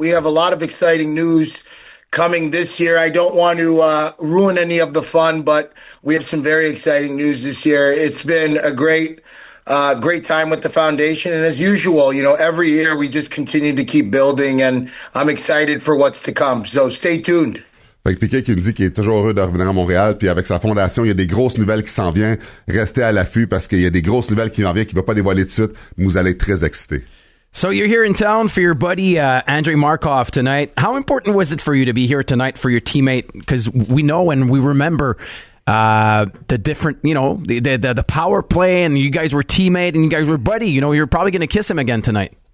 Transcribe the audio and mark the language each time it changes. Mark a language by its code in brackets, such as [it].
[en] We have a lot of exciting news coming this year. I don't want to ruin any of the fun, but we have some very exciting news this year. It's been a great, great time with the foundation. And as usual, you know, every year we just continue to keep building and I'm excited for what's to come. So stay tuned. [fr] Fait que Piqué qui nous dit qu'il est toujours heureux de revenir à Montréal, puis avec sa fondation, il y a des grosses nouvelles qui s'en viennent. Restez à l'affût parce qu'il y a des grosses nouvelles qui en viennent, qu'il ne va pas dévoiler de suite. Vous allez être très excités. [en] So you're here in town for your buddy Andre Markov tonight. How important was it for you to be here tonight for your teammate? Because we know and we remember the different, you know, the power play, and you guys were teammate and you guys were buddy. You know, you're probably going to kiss him again tonight.